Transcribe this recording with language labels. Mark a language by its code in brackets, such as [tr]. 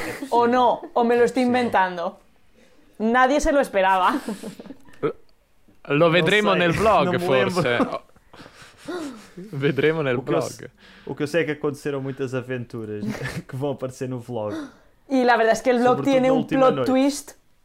[pt] Ou não, ou me lo estou inventando. [es] Nadie se lo esperava. [it] Lo vedremo nel vlog, forse. Vedremo nel blog. [pt] O que eu sei é que aconteceram muitas aventuras que vão aparecer no vlog. E a verdade é que o vlog tem um plot twist.